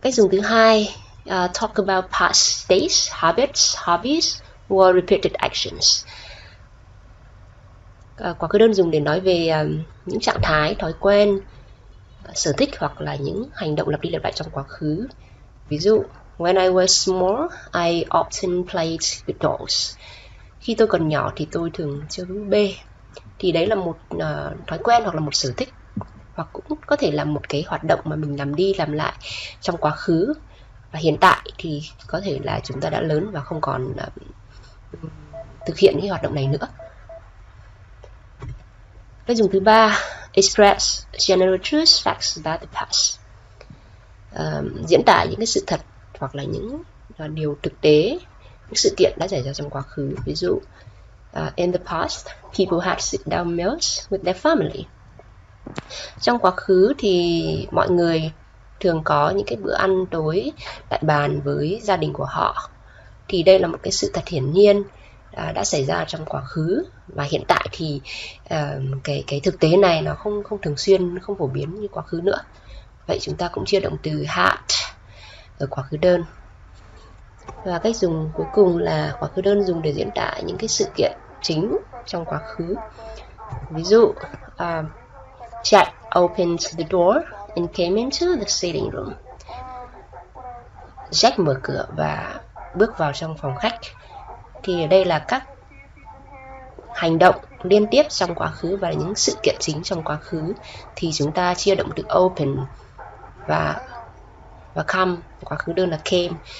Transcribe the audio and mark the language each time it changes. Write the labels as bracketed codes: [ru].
[vi] Cách dùng thứ hai, [en] talk about past states, habits, hobbies or repeated actions. [vi] Quá khứ đơn dùng để nói về những trạng thái, thói quen, sở thích hoặc là những hành động lặp đi lặp lại trong quá khứ. Ví dụ, [en] when I was small, I often played with dolls. [vi] Khi tôi còn nhỏ thì tôi thường chơi búp bê. Thì đấy là một thói quen hoặc là một sở thích, hoặc cũng có thể là một cái hoạt động mà mình làm đi làm lại trong quá khứ. Và hiện tại thì có thể là chúng ta đã lớn và không còn thực hiện cái hoạt động này nữa. Cách dùng thứ ba, [en] Express general truths, facts about the past. [vi] Diễn tả những cái sự thật hoặc là những điều thực tế, những sự kiện đã xảy ra trong quá khứ. Ví dụ, [en] in the past, people had sit-down meals with their family. [vi] Trong quá khứ thì mọi người thường có những cái bữa ăn tối tại bàn với gia đình của họ. Thì đây là một cái sự thật hiển nhiên đã xảy ra trong quá khứ, và hiện tại thì cái thực tế này nó không không thường xuyên, không phổ biến như quá khứ nữa. Vậy chúng ta cũng chia động từ had ở quá khứ đơn. Và cách dùng cuối cùng là quá khứ đơn dùng để diễn tả những cái sự kiện chính trong quá khứ. Ví dụ, [en] Jack opened the door and came into the sitting room. [vi] Jack mở cửa và bước vào trong phòng khách. Thì ở đây là các hành động liên tiếp trong quá khứ và những sự kiện chính trong quá khứ. Thì chúng ta chia động từ open và come, quá khứ đơn là came.